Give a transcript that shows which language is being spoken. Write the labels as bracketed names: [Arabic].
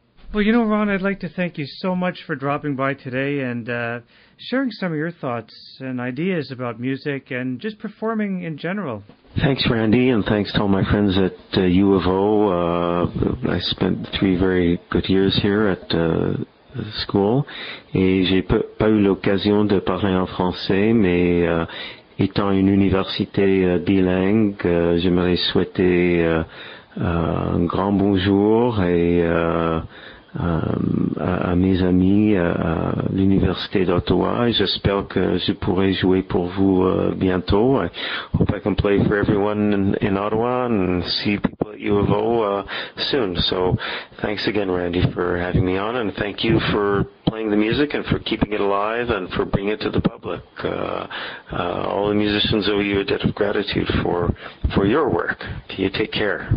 [English] Well, you know, Ron, I'd like to thank you so much for dropping by today and sharing some of your thoughts and ideas about music and just performing in general. Thanks, Randy, and thanks to all my friends at U of O. I spent 3 very good years here at school. [French] Et j'ai pas eu l'occasion de parler en français, mais étant une université bilingue, j'aimerais souhaiter un grand bonjour et à mes amis à l'Université d'Ottawa. J'espère que je pourrai jouer pour vous bientôt. [English] I hope I can play for everyone in Ottawa and see people at U of O soon. So thanks again, Randy, for having me on, and thank you for playing the music and for keeping it alive and for bringing it to the public. All the musicians owe you a debt of gratitude for your work. You take care.